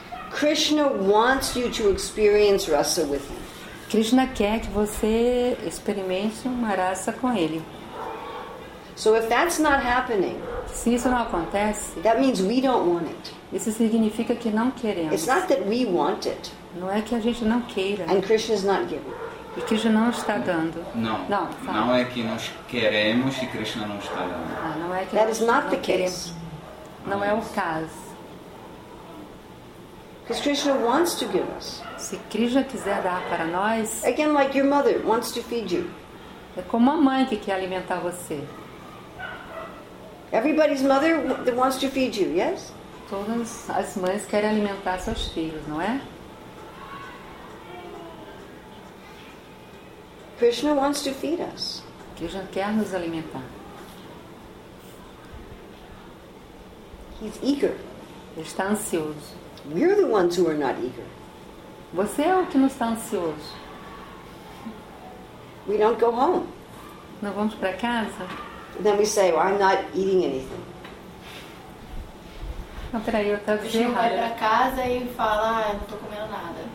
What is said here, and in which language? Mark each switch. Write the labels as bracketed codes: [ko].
[en] Krishna wants you to experience rasa with him. [pt] Krishna quer que você experimente uma rasa com ele. [en] So if that's not happening, [pt] se isso não acontece, [en] that means we don't want it. [pt] Isso significa que não queremos. [en] It's not that we want it. [pt] Não é que a gente não queira. [en] And Krishna's not giving. [pt] E Krishna não está dando. Não. Não é que nós queremos e Krishna não está dando. Não é que [en] that is not the case. [pt] Não é o caso. [en] Because Krishna wants to give us. [pt] Se Krishna quiser dar para nós. [en] Again, like your mother wants to feed you. [pt] É como a mãe que quer alimentar você. [en] Everybody's mother wants to feed you, yes? [pt] Todas as mães querem alimentar seus filhos, não é? [en] Krishna wants to feed us. [pt] Krishna quer nos alimentar. [en] He's eager. [pt] Ele está ansioso. [en] We're the ones who are not eager. [pt] Você é o que não está ansioso. [en] We don't go home. [pt] Não vamos para casa. [en] Then we say, well, I'm not eating anything. [pt] Não, peraí, eu estava errada. Vai para casa e fala, ah, não estou comendo nada.